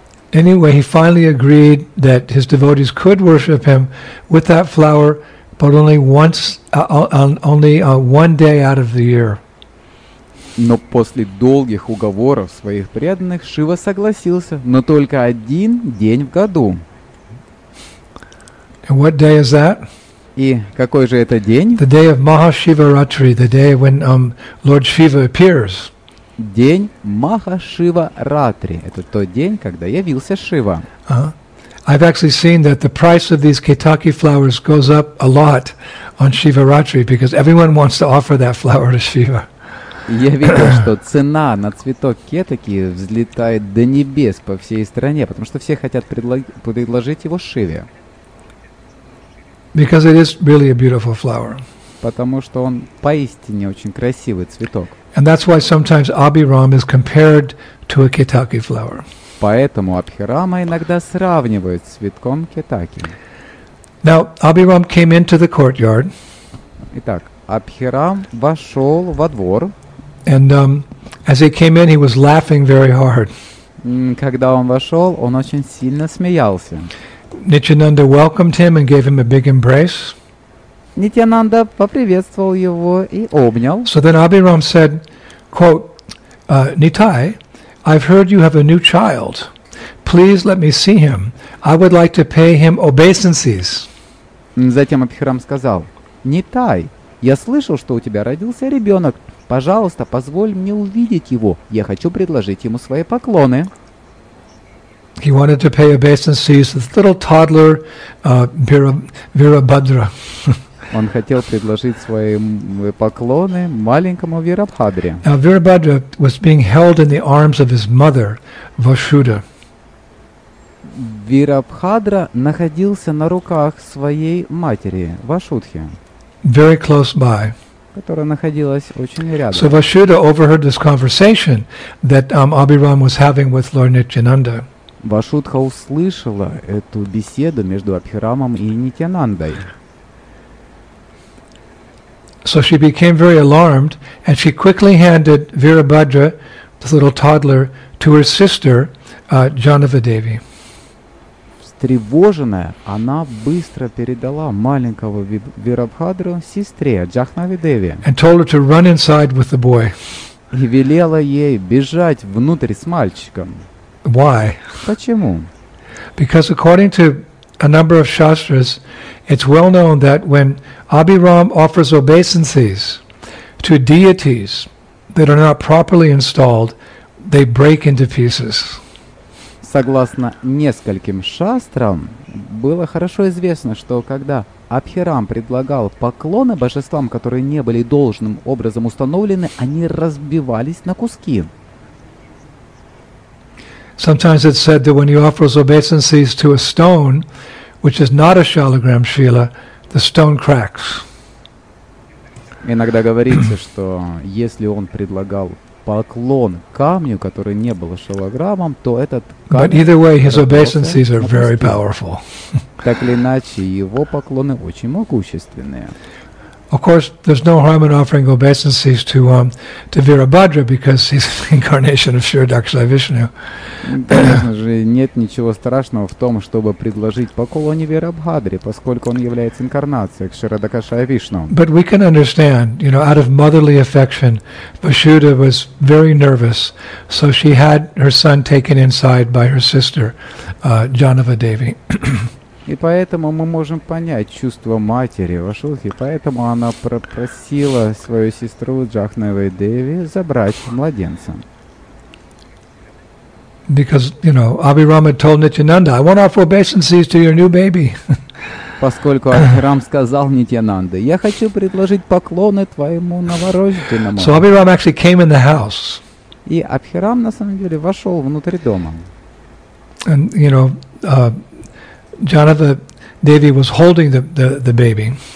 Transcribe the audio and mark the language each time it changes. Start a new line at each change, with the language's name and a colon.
English: Anyway, he finally agreed that his devotees could worship him with that flower, but only once, one day out of the year.
Russian: Но после долгих уговоров своих преданных Шива согласился, но только один день в году.
English: And what day is that?
Russian: И какой же это день?
English: The day of Mahashivaratri, the day when Lord Shiva appears.
Russian: День Махашиваратри. Это тот день, когда явился Шива.
English: I've actually seen that the price of these Kaitaki flowers goes up a lot on Shivaratri because everyone wants to offer that flower to Shiva.
Russian: Я видел, что цена на цветок кетаки взлетает до небес по всей стране, потому что все хотят предложить его Шиве.
English: Because it is really a beautiful flower.
Russian: Потому что он поистине очень красивый цветок.
English: And that's why sometimes Abhiram is compared to a Kaitaki flower.
Russian: Поэтому Абхирама иногда сравнивают с цветком кетаки.
English: Now Abhiram came into the courtyard.
Russian: Итак, Абхирам вошел во двор.
English: And as he came in, he was laughing very hard.
Russian: Когда он вошел, он очень сильно смеялся.
English: Nityananda welcomed him and gave him a big embrace.
Russian: Нитянанда поприветствовал его и обнял.
English: So then Abhiram said, quote, Nitai, I've heard you have a new child. Please let me see him. I would like to pay him obeisances.
Russian: Затем Абхирам сказал, Нитай, я слышал, что у тебя родился ребенок. Пожалуйста, позволь мне увидеть его. Я хочу предложить ему свои поклоны.
English: He wanted to pay obeisances to this little toddler, Virabhadra.
Russian: Он хотел предложить свои поклоны маленькому Вирабхадре.
English: Now Virabhadra was being held in the arms of his mother, Vasudha.
Russian: Вирабхадра находился на руках своей матери, Вашудхи.
English: Very close by.
Russian: Которая находилась очень рядом.
English: So Vasudha overheard this conversation that Abhiram was having with Lord Nityananda.
Russian: Вашудха услышала эту беседу между Абхирамом и Нитянандой.
English: So she became very alarmed, and she quickly handed Virabhadra, this little toddler, to her sister, Janavadevi.
Russian: Встревоженная, она быстро передала маленького Вирабхадру сестре Джахнавидеви.
English: And told her to run inside with the boy.
Russian: И велела ей бежать внутрь с мальчиком.
English: Why?
Russian: Почему?
English: Because according to a number of shastras, it's well known that when Abhiram offers obeisances to deities that are not properly installed, they break into pieces.
Russian: Согласно нескольким шастрам, было хорошо известно, что когда Абхирам предлагал поклоны божествам, которые не были должным образом установлены, они разбивались на куски.
English: Sometimes it's said that when he offers obeisances to a stone, which is not a shalagram shila, the stone cracks.
Russian: Иногда говорится, что если он предлагал поклон камню, который не был шалограммом, то этот камень.
English: But either way, his obeisances are very powerful.
Russian: Так или иначе, его поклоны очень могущественные.
English: Of course, there's no harm in offering obeisances to Virabhadra because he's the incarnation of Shri Daksha Vishnu.
Russian: Конечно же, нет ничего страшного в том, чтобы предложить поклоны Вирабхадре, поскольку он является инкарнацией Кшира Дакша Вишну.
English: But we can understand, you know, out of motherly affection, Vasudha was very nervous, so she had her son taken inside by her sister, Janava Devi.
Russian: И поэтому мы можем понять чувство матери Вашудхи, поэтому она попросила свою сестру Джахнавей Деви забрать младенца.
English: Because, you know, Abhiram had told Nityananda, I want to offer obeisances to your new baby.
Russian: Поскольку Абхирам сказал Нитьянанде, я хочу предложить поклоны твоему новорожденному.
English: So Abhiram actually came in the house.
Russian: И Абхирам на самом деле вошел внутрь дома.
English: And, you know, Janava Devi was holding the baby.